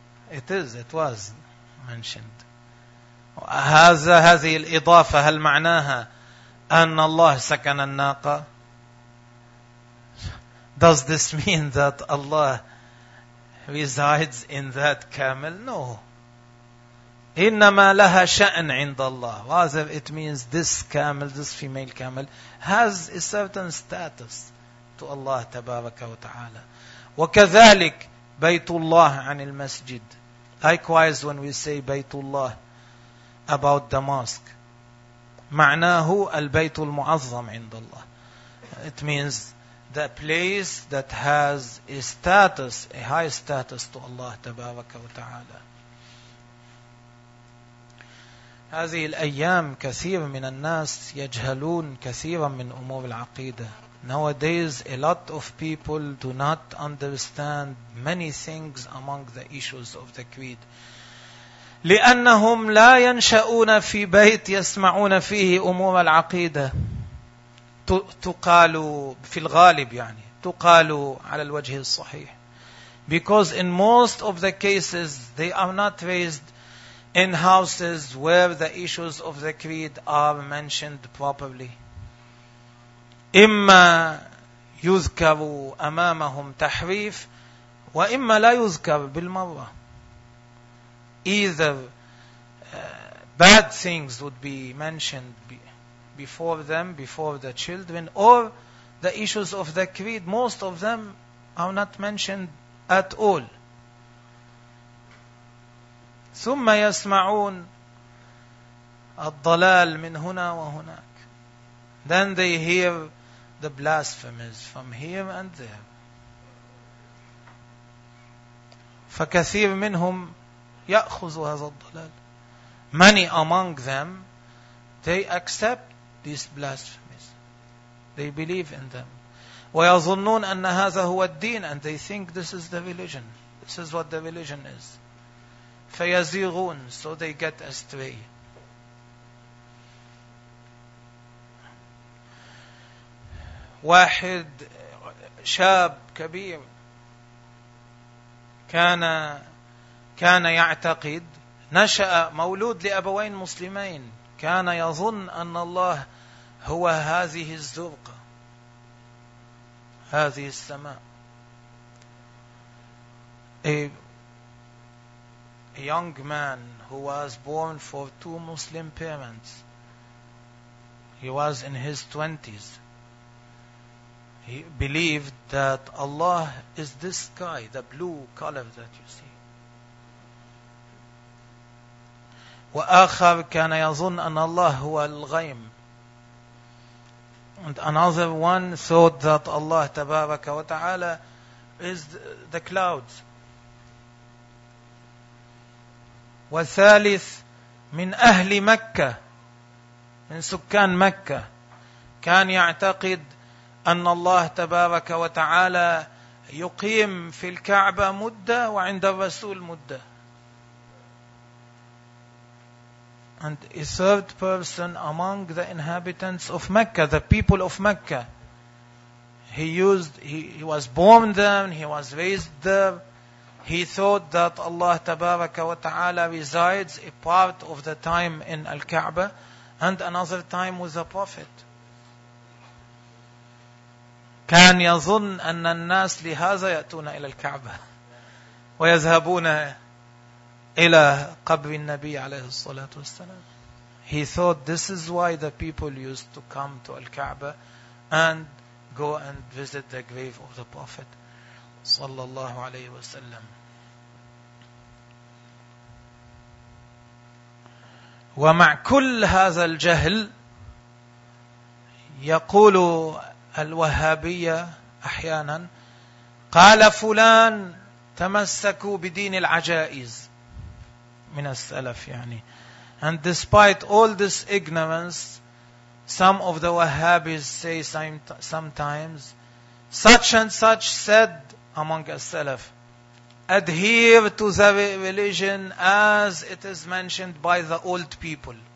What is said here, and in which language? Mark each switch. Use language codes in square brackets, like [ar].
[en] It was mentioned. [ar] هذه الإضافة هل معناها أن الله سكن الناقة؟ [en] Does this mean that Allah resides in that camel? No. [ar] إنما لها شأن عند الله. [en] Rather, it means this camel, this female camel, has a certain status to Allah [ar] تبارك وتعالى. وكذلك بيت الله عن المسجد. [en] Likewise, when we say [ar] بيت الله [en] about the mosque, [ar] معناه البيت المعظم عند الله. [en] It means the place that has a status, a high status to Allah [ar] تبارك وتعالى. هذه الأيام كثير من الناس يجهلون كثيرا من أمور العقيدة. [en] Nowadays, a lot of people do not understand many things among the issues of the creed. [ar] لأنهم لا ينشأون في بيت يسمعون فيه أمور العقيدة. تقال في الغالب يعني تقال على الوجه الصحيح. [en] Because in most of the cases they are not raised in houses where the issues of the creed are mentioned properly. [ar] إما يذكر أمامهم تحريف وإما لا يذكر بالمرة. [en] Either bad things would be mentioned before them, before the children, or the issues of the creed, most of them are not mentioned at all. [ar] ثم يسمعون الضلال من هنا وهناك. [en] Then they hear the blasphemies from here and there. [ar] فكثير منهم يأخذ هذا الضلال. [en] Many among them, they accept these blasphemies. They believe in them. [ar] ويظنون أن هذا هو الدين, [en] and they think this is the religion. This is what the religion is. [ar] فيزيغون, [en] so they get astray. [ar] واحد شاب كبير كان يعتقد, نشأ مولود لأبوين مسلمين, كان يظن أن الله هو هذه الزرقة, هذه السماء. [en] a young man who was born for two Muslim parents. He was in his 20s. He believed that Allah is this sky, the blue color that you see. [ar] وآخر كان يظن أن الله هو الغيم. [en] And another one thought that Allah [ar] تبارك وتعالى [en] is the clouds. [ar] والثالث من أهل مكة من سكان مكة كان يعتقد أن الله تبارك وتعالى يقيم في الكعبة مدة وعند الرسول مدة. [en] And a third person among the inhabitants of Mecca, the people of Mecca. He was born there, he was raised there. He thought that Allah [ar] Tabaraka wa Ta'ala [en] resides a part of the time in Al-Ka'ba and another time with the Prophet. [ar] كان يظن أن الناس لهذا يأتون إلى الكعبة ويذهبون إلى قبر النبي عليه الصلاة والسلام. [en] He thought this is why the people used to come to Al-Kaaba and go and visit the grave of the Prophet [ar] صلى الله عليه وسلم. ومع كل هذا الجهل يقول الوهابية أحيانا قال فلان تمسكوا بدين العجائز من السلف يعني. [en] And despite all this ignorance, some of the Wahhabis say sometimes, such and such said among the Salaf, adhere to the religion as it is mentioned by the old people.